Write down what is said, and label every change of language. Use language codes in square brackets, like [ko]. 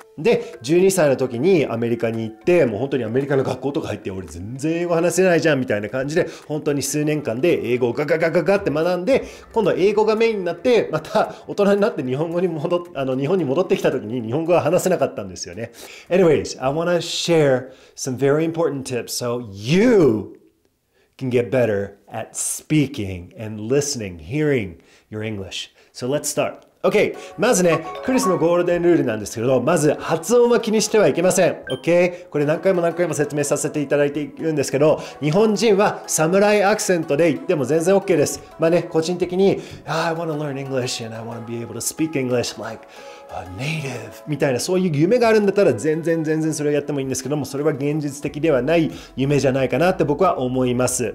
[ja] で、12歳の時にアメリカに行って、もう本当にアメリカの学校とか入って、俺全然英語話せないじゃんみたいな感じで、本当に数年間で英語をガガガガガって学んで、今度は英語がメインになって、また大人になって日本語に戻っ、日本に戻ってきた時に日本語は話せなかったんですよね。 [en] Anyways, I wanna share some very important tips so you can get better at speaking and listening, hearing your English. So let's startOK. [ja] まずね、クリスのゴールデンルールなんですけど、まず発音は気にしてはいけません。 [en] OK? [ja] これ何回も何回も説明させていただいているんですけど、日本人はサムライアクセントで言っても全然 OK です。まあね、個人的に、 [en] I want to learn English and I want to be able to speak English like a native [ja] みたいな、そういう夢があるんだったら全然全然それをやってもいいんですけども、それは現実的ではない夢じゃないかなって僕は思います。